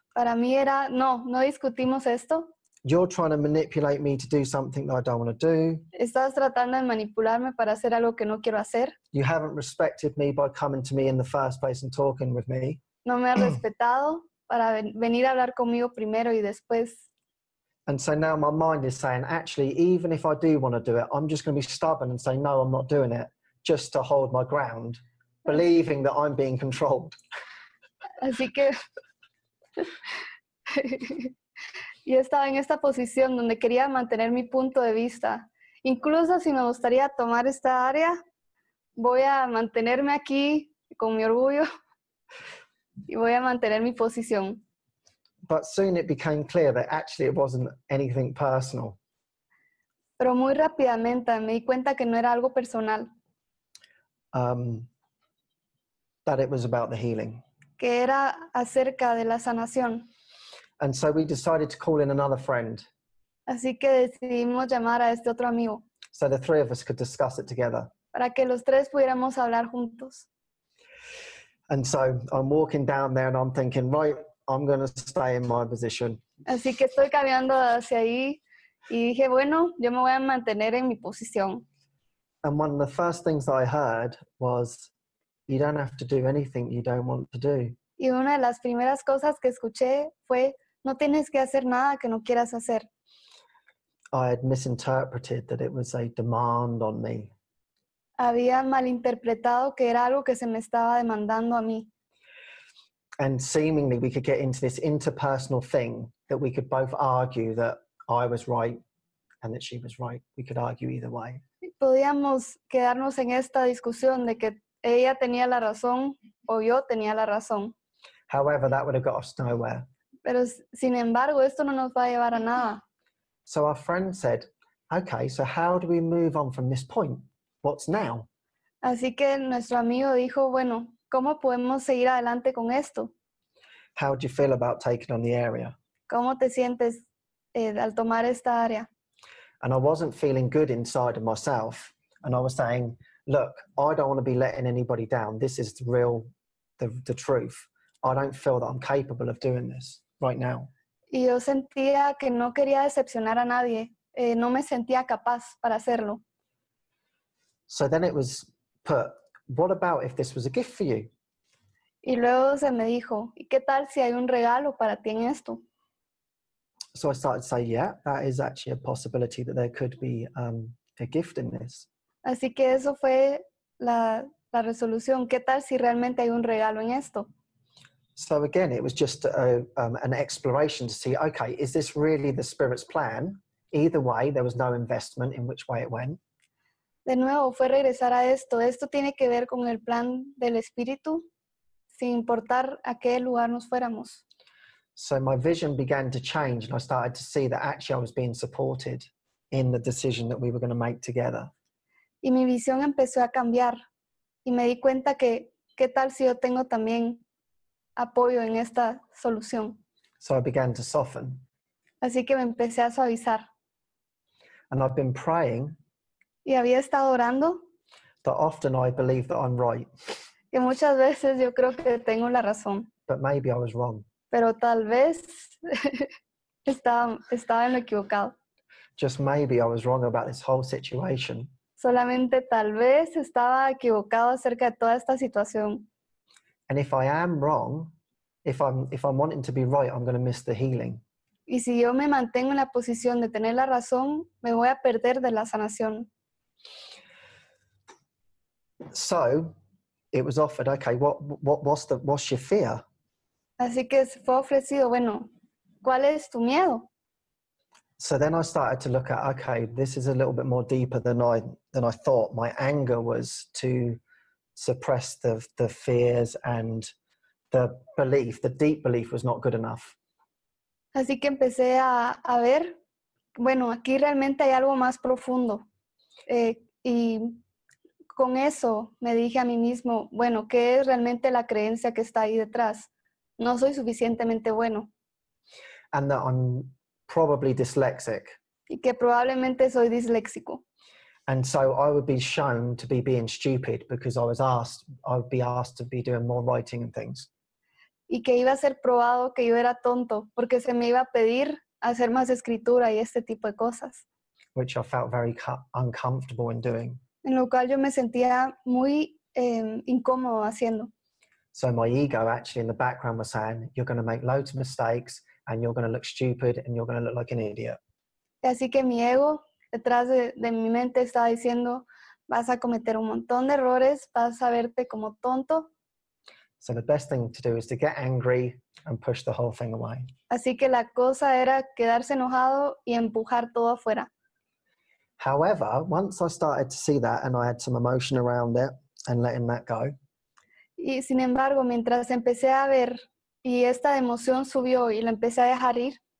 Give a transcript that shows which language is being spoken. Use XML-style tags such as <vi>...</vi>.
<es>Para mí era, no, no discutimos esto.</es> <en>You're trying to manipulate me to do something that I don't want to do.</en> <es>Estás tratando de manipularme para hacer algo que no quiero hacer.</es> <en>You haven't respected me by coming to me in the first place and talking with me.</en> <es>No me has respetado para venir a hablar conmigo primero y después.</es> <en>And so now my mind is saying, actually, even if I do want to do it, I'm just going to be stubborn and say, no, I'm not doing it. Just to hold my ground, believing that I'm being controlled.</en> <es>Así que yo estaba en esta posición donde quería mantener mi punto de vista. Incluso si me gustaría tomar esta área, voy a mantenerme aquí con mi orgullo y voy a mantener mi posición.</es> <en>But soon it became clear that actually it wasn't anything personal.</en> <es>Pero muy rápidamente me di cuenta que no era algo personal.</es> <en>That it was about the healing.</en> <es>que era acerca de la sanación.</es> <en>And so we decided to call in another friend.</en> <es>Así que decidimos llamar a este otro amigo.</es> <en>So the three of us could discuss it together.</en> <es>Para que los tres pudiéramos hablar juntos.</es> <en>And so I'm walking down there and I'm thinking, right, I'm going to stay in my position.</en> <es>Así que estoy caminando hacia ahí y dije, bueno, yo me voy a mantener en mi posición.</es> <en>And one of the first things I heard was, you don't have to do anything you don't want to do.</en> <es>Y una de las primeras cosas que escuché fue, no tienes que hacer nada que no quieras hacer.</es> <en>I had misinterpreted that it was a demand on me.</en> <es>Había malinterpretado que era algo que se me estaba demandando a mí.</es> <en>And seemingly we could get into this interpersonal thing that we could both argue that I was right and that she was right. We could argue either way.</en> <es>Podíamos quedarnos en esta discusión de que ella tenía la razón o yo tenía la razón.</es> <en>However, that would have got us nowhere.</en> <es>Pero sin embargo, esto no nos va a llevar a nada.</es> <en>So our friend said, okay, so how do we move on from this point? What's now?</en> <es>Así que nuestro amigo dijo, bueno, ¿cómo podemos seguir adelante con esto?</es> <en>How do you feel about taking on the area?</en> <es>¿Cómo te sientes al tomar esta área?</es> <en>And I wasn't feeling good inside of myself. And I was saying, look, I don't want to be letting anybody down. This is the real, the truth. I don't feel that I'm capable of doing this right now.</en> <es>Y yo sentía que no quería decepcionar a nadie. No me sentía capaz para hacerlo.</es> <en>So then it was put, what about if this was a gift for you?</en> <es>Y luego se me dijo, ¿y qué tal si hay un regalo para ti en esto?</es> <en>So I started to say, yeah, that is actually a possibility that there could be a gift in this.</en> <es>Así que eso fue la resolución. ¿Qué tal si realmente hay un regalo en esto?</es> <en>So again, it was just an exploration to see, okay, is this really the Spirit's plan? Either way, there was no investment in which way it went.</en> <es>De nuevo, fue regresar a esto. Esto tiene que ver con el plan del Espíritu, sin importar a qué lugar nos fuéramos.</es> <en>So my vision began to change and I started to see that actually I was being supported in the decision that we were going to make together.</en> <es>Y mi visión empezó a cambiar y me di cuenta que qué tal si yo tengo también apoyo en esta solución.</es> <en>So I began to soften.</en> <es>Así que me empecé a suavizar.</es> <en>And I've been praying.</en> <es>Y había estado orando.</es> <en>That often I believe that I'm right.</en> <es>Y muchas veces yo creo que tengo la razón.</es> <en>But maybe I was wrong.</en> <es>Pero tal vez estaba en lo equivocado.</es> <en>Just maybe I was wrong about this whole situation.</en> <es>Solamente tal vez estaba equivocado acerca de toda esta situación.</es> <en>And if I am wrong, if I'm wanting to be right, I'm going to miss the healing.</en> <es>Y si yo me mantengo en la posición de tener la razón, me voy a perder de la sanación.</es> <en>So it was offered, okay, what's your fear?</en> <es>Así que fue ofrecido, bueno, ¿cuál es tu miedo?</es> <en>So then I started to look at, okay, this is a little bit more deeper than I thought. My anger was to suppress the fears and the belief, the deep belief was not good enough.</en> <es>Así que empecé a ver, bueno, aquí realmente hay algo más profundo. Y con eso me dije a mí mismo, bueno, ¿qué es realmente la creencia que está ahí detrás? No soy suficientemente bueno.</es> <en>And that I'm probably dyslexic.</en> <es>Y que probablemente soy disléxico.</es> <en>And so I would be shown to be being stupid because I would be asked to be doing more writing and things.</en> <es>Y que iba a ser probado que yo era tonto porque se me iba a pedir hacer más escritura y este tipo de cosas.</es> <en>Which I felt very uncomfortable in doing.</en> <es>En lo cual yo me sentía muy incómodo haciendo.</es> <en>So my ego actually in the background was saying, you're going to make loads of mistakes and you're going to look stupid and you're going to look like an idiot.</en> <es>Así que mi ego detrás de mi mente estaba diciendo, vas a cometer un montón de errores, vas a verte como tonto.</es> <en>So the best thing to do is to get angry and push the whole thing away.</en> <es>Así que la cosa era quedarse enojado y empujar todo afuera.</es> <en>However, once I started to see that and I had some emotion around it and letting that go.</en> <es>Y sin embargo, mientras empecé a ver y esta emoción subió y la empecé a dejar ir.</es>